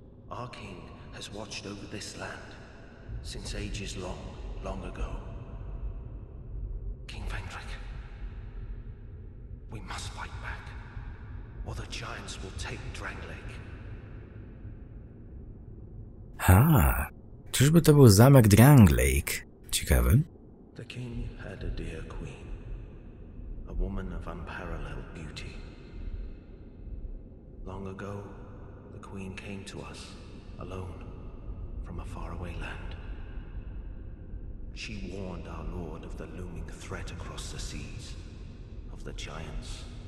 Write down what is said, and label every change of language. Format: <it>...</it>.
<en>Our king has watched over this land since ages long, long ago. King Vendrick, we must fight back, or the giants will take Dranglake.</en> <pl>Ha, czyżby to był zamek Dranglake? Ciekawe.</pl> <en>The king had a dear queen, a woman of unparalleled beauty. Long ago, the queen came to us, alone, from a faraway land. She warned our lord of the looming threat across the seas, of the giants.</en>